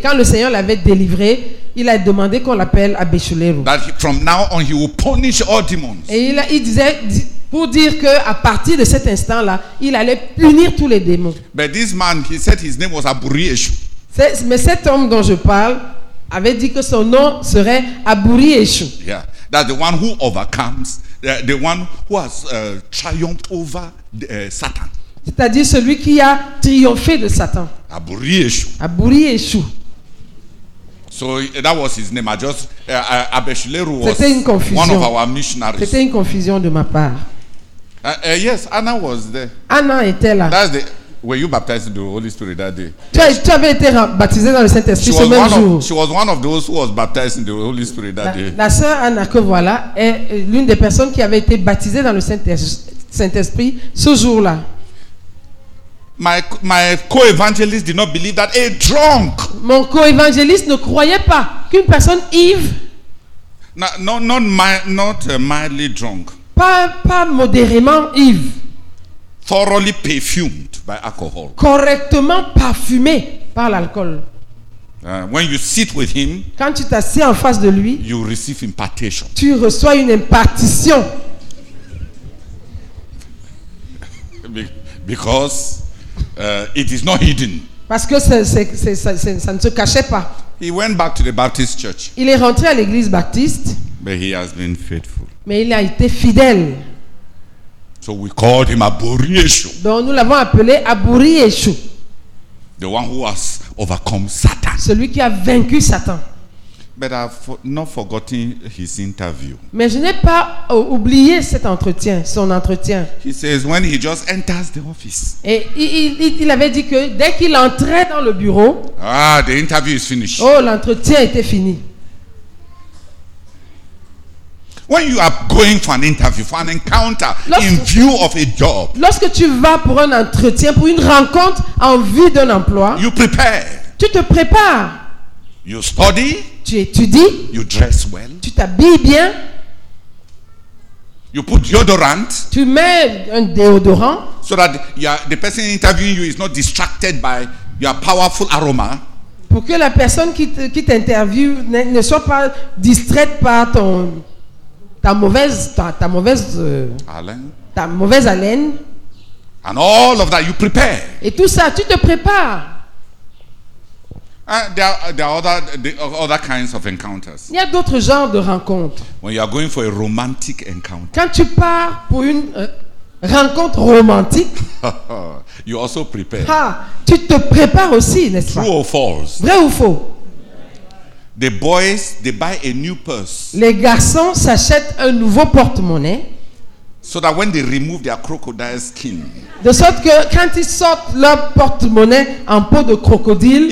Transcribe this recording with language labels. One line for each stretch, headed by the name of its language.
French: Quand le Seigneur l'avait délivré, il a demandé qu'on l'appelle Abeshuleru.
English: That from now on, he will punish all demons.
French: Et il disait... Pour dire que à partir de cet instant-là, il allait punir tous les démons.
English: But this man, he said his name was Abouri-Eshu.
French: Mais cet homme dont je parle avait dit que son nom serait Abouri-Eshu.
English: Yeah, that's the one who overcomes, the one who has triumphed over Satan.
French: C'est-à-dire celui qui a triomphé de Satan.
English: Abouri-Eshu.
French: Abouri-Eshu.
English: So that was his name. I just Abeshuleru was
French: une confusion.
English: One of our missionaries.
French: C'était une confusion de ma part.
English: Yes, Anna was there.
French: Anna était là.
English: That's the. Were you baptized in the Holy Spirit that day?
French: Tu avais été baptisé dans le Saint-Esprit ce même jour.
English: She was one of those who was baptized in the Holy Spirit that day.
French: La sœur Anna que voilà est l'une des personnes qui avait été baptisée dans le Saint-Esprit ce jour-là.
English: My co-evangelist did not believe that a drunk.
French: Mon co-évangéliste ne croyait pas qu'une personne ivre.
English: Not mildly drunk.
French: Pas modérément ivre.
English: Thoroughly perfumed by alcohol.
French: Correctement parfumé par l'alcool.
English: When you sit with him,
French: quand tu t'assieds en face de lui,
English: you receive impartation.
French: Tu reçois une impartition.
English: Because it is not hidden.
French: Parce que ça ne se cachait pas.
English: He went back to the Baptist church.
French: Il est rentré à l'église baptiste.
English: But he has been faithful.
French: Mais il a été fidèle.
English: So we called him Abouri-Eshu.
French: Donc nous l'avons appelé Abouri-Eshu.
English: The one who has overcome Satan.
French: Celui qui a vaincu Satan.
English: But I've not forgotten his interview.
French: Mais je n'ai pas oublié cet entretien, son entretien.
English: He says when he just enters the office.
French: Et il avait dit que dès qu'il entrait dans le bureau.
English: Ah, the interview is finished.
French: Oh, l'entretien était fini.
English: When you are going for an interview, for an encounter, in view of a job.
French: Lorsque tu vas pour un entretien, pour une rencontre en vue d'un emploi.
English: You prepare.
French: Tu te prépares.
English: You study.
French: Tu étudies.
English: You dress well.
French: Tu t'habilles bien.
English: You put deodorant.
French: Tu mets un déodorant.
English: So that the person interviewing you is not distracted by your powerful aroma.
French: Pour que la personne qui t'interviewe ne soit pas distraite par ta mauvaise haleine.
English: And all of that, you prepare.
French: Et tout ça, tu te prépares.
English: There are other kinds of encounters.
French: Il y a d'autres genres de rencontres.
English: When you are going for a romantic encounter.
French: Quand tu pars pour une rencontre romantique.
English: You also prepare.
French: Ah, tu te prépares aussi, n'est-ce
English: true
French: pas?
English: True or false?
French: Vrai ou faux?
English: The boys, they buy a new purse.
French: Les garçons s'achètent un nouveau porte-monnaie.
English: So that when they remove their crocodile skin.
French: De sorte que quand ils sortent leur porte-monnaie en peau de crocodile.